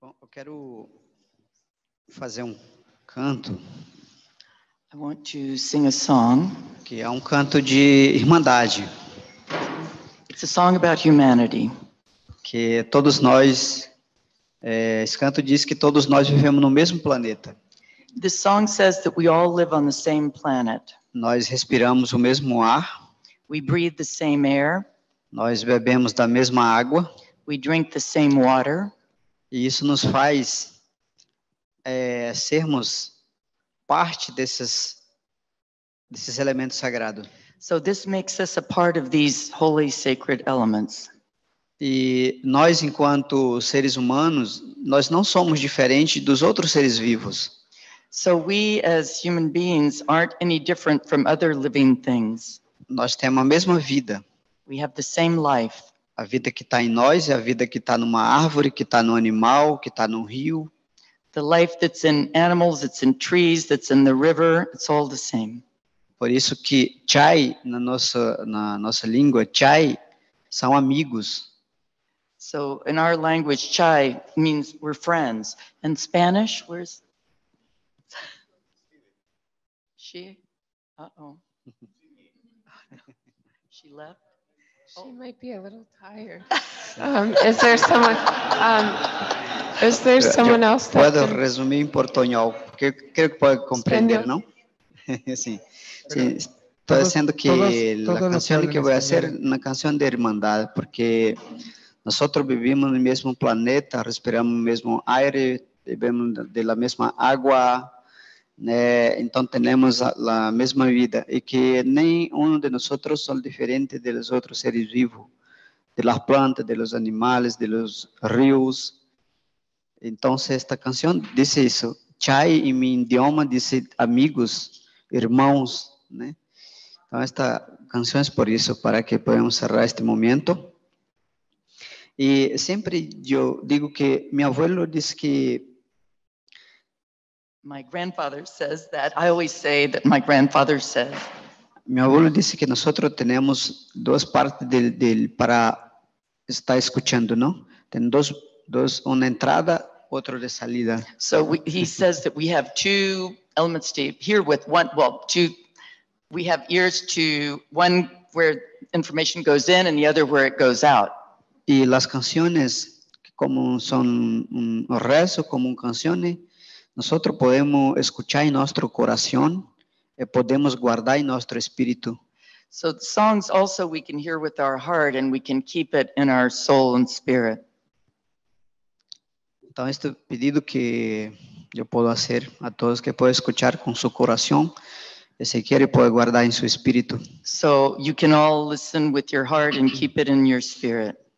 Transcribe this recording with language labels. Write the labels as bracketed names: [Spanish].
[Portuguese] Quero fazer canto. [English] I want to sing a song. [Portuguese] Que é canto de irmandade. [English] It's a song about humanity. [Portuguese] Que todos nós, esse canto diz que todos nós vivemos no mesmo planeta. [English] This song says that we all live on the same planet. [Portuguese] Nós respiramos o mesmo ar. [English] We breathe the same air. [Portuguese] Nós bebemos da mesma água. [English] We drink the same water. [Portuguese] E isso nos faz sermos parte desses elementos sagrados. [English] So this makes us a part of these holy sacred elements. [Portuguese] E nós, enquanto seres humanos, nós não somos diferentes dos outros seres vivos. [English] So we as human beings aren't any different from other living things. [Portuguese] Nós temos a mesma vida. [English] We have the same life. [Portuguese] A vida que está em nós é a vida que está numa árvore, que está no animal, que está no rio. [English] The life that's in animals, that's in trees, that's in the river, it's all the same. [Portuguese] Por isso que chai, na nossa língua, chai, são amigos. [English] So, in our language, chai means we're friends. In Spanish, where's... She? Uh-oh. She left? She might be a little tired. Is there someone else that [Spanish] puedo resumir [Portuguese] em portunhol, [Spanish] porque creo [Portuguese] que pode compreender, não? Sim. [Spanish] Estoy diciendo que todas la canción que voy a hacer es una canción de hermandad, porque nosotros vivimos en el mismo planeta, respiramos el mismo aire, bebemos de la misma agua, entonces tenemos la misma vida, y que ni uno de nosotros son diferentes de los otros seres vivos, de las plantas, de los animales, de los ríos. Entonces esta canción dice eso. Chai en mi idioma dice amigos, hermanos, ¿no? [Portuguese] Então, esta canção é por isso, para que [Spanish] podamos cerrar este momento. [Portuguese] E sempre eu digo que meu avô disse que... [English] My grandfather says that. I always say that my grandfather says. [Portuguese] Meu avô disse que nós temos duas partes para estar escutando, não? Tem duas, uma entrada, outra de saída. [English] So he says that we have two elements to hear with one, well, two... We have ears to one where information goes in and the other where it goes out. [Spanish] Y las canciones como son un rezo, como un canciones, nosotros podemos escuchar en nuestro corazón y podemos guardar en nuestro espíritu. [English] So the songs also we can hear with our heart and we can keep it in our soul and spirit. [Spanish] Entonces este pedido que yo puedo hacer a todos que puedan escuchar con su corazón. Si quiere, puede guardar en su espíritu. [English] So you can all listen with your heart and keep it in your spirit.